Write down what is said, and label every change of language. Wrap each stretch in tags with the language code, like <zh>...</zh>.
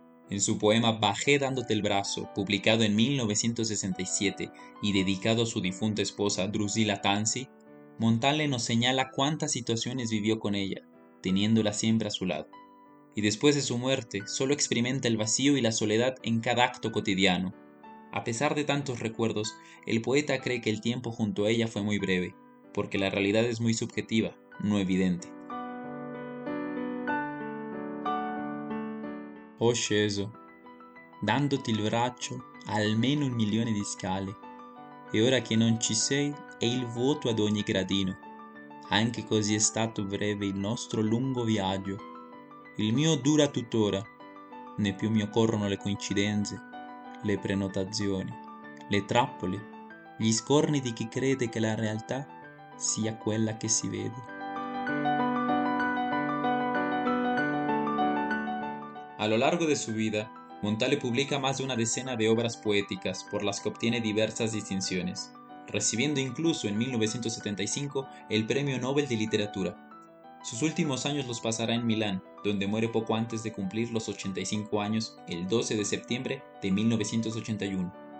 <es>En su poema Bajé dándote el brazo, publicado en 1967 y dedicado a su difunta esposa Drusila Tanzi, Montale nos señala cuántas situaciones vivió con ella, teniéndola siempre a su lado. Y después de su muerte, solo experimenta el vacío y la soledad en cada acto cotidiano. A pesar de tantos recuerdos, el poeta cree que el tiempo junto a ella fue muy breve, porque la realidad es muy subjetiva, no evidente.</es> <it>Ho sceso, dandoti il braccio, almeno un milione di scale, e ora che non ci sei, è il vuoto ad ogni gradino. Anche così è stato breve il nostro lungo viaggio. Il mio dura tuttora, né più mi occorrono le coincidenze, le prenotazioni, le trappole, gli scorni di chi crede che la realtà sia quella che si vede.</it> <es>A lo largo de su vida, Montale publica más de una decena de obras poéticas por las que obtiene diversas distinciones, recibiendo incluso en 1975 el Premio Nobel de Literatura. Sus últimos años los pasará en Milán, donde muere poco antes de cumplir los 85 años, el 12 de septiembre de 1981.</es>